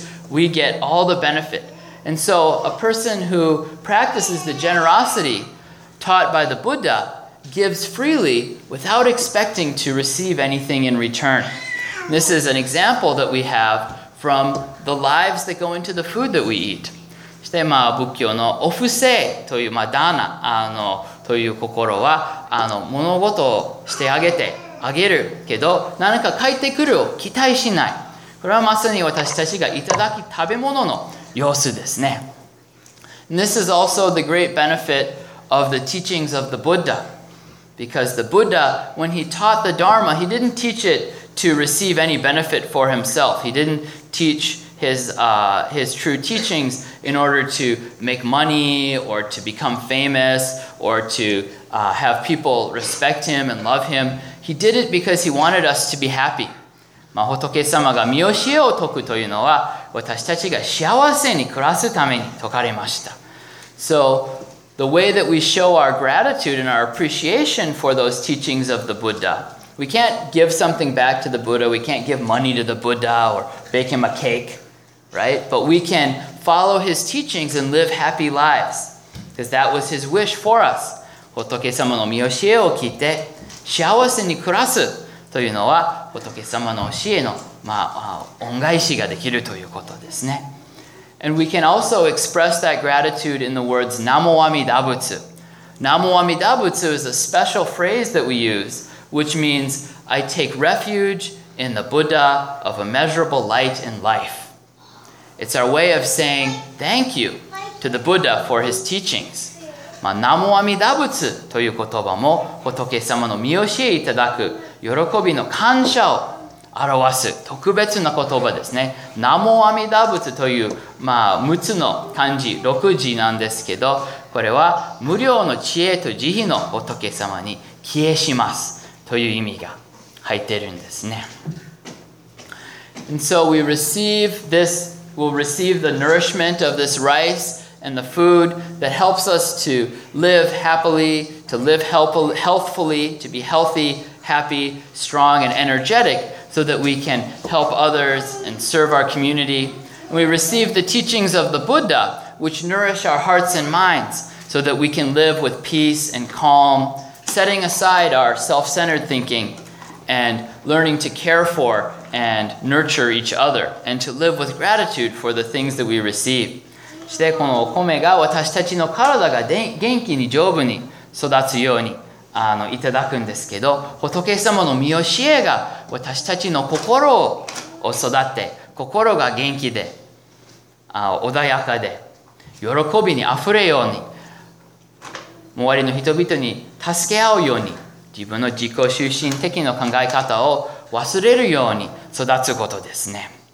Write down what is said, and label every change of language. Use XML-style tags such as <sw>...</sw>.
<en>We get all the benefit. And so a person who practices the generosity taught by the Buddha. Gives freely without expecting to receive anything in return. This is an example that we have from the lives that go into the food that we eat.</en> <ja>そして、まあ、仏教のお布施という、まあ、ダーナという心は物事をしてあげるけど何か返ってくるを期待しない。これはまさに私たちがいただき食べ物の様子ですね。</ja> <en>This is also the great benefit of the teachings of the Buddha. Because the Buddha, when he taught the Dharma, he didn't teach it to receive any benefit for himself. He didn't teach his true teachings in order to make money or to become famous or to have people respect him and love him. He did it because he wanted us to be happy.</en> <ja>まあ、仏様が身教えを説くというのは、私たちが幸せに暮らすために説かれました。</ja> <en>So,The way that we show our gratitude and our appreciation for those teachings of the Buddha. We can't give something back to the Buddha. We can't give money to the Buddha or bake him a cake, right? But we can follow his teachings and live happy lives. Because that was his wish for us.</en> <ja>仏様の御教えを聞いて幸せに暮らすというのは仏様の教えの、まあ、恩返しができるということですね。</ja> <en>And we can also express that gratitude in the words Namo Amida Butsu. Namo Amida Butsu is a special phrase that we use, which means I take refuge in the Buddha of immeasurable light and life. It's our way of saying thank you to the Buddha for his teachings.</en> <ja>まあ、Namo Amida Butsu という言葉も仏様の身教えいただく喜びの感謝を表す特別な言葉ですね。ナモアミダブツという、まあ、6つの漢字、6字なんですけど、これは無量の知恵と慈悲の仏様に帰依しますという意味が入っているんですね。</ja> <en>And so we receive this, we'll receive the nourishment of this rice and the food that helps us to live happily, to live healthfully, to be healthy, happy, strong, and energetic. So that we can help others and serve our community. And we receive the teachings of the Buddha, which nourish our hearts and minds, so that we can live with peace and calm, setting aside our self-centered thinking and learning to care for and nurture each other, and to live with gratitude for the things that we receive.</en> <ja>そしてこのお米が私たちの体が元気に丈夫に育つようにいただくんですけど、仏様の御教えが私たちの心を育って、心が元気で、穏やかで、喜びにあふれように、周りの人々に助け合うように、自分の自己中心的な考え方を忘れるように育つことですね。</ja>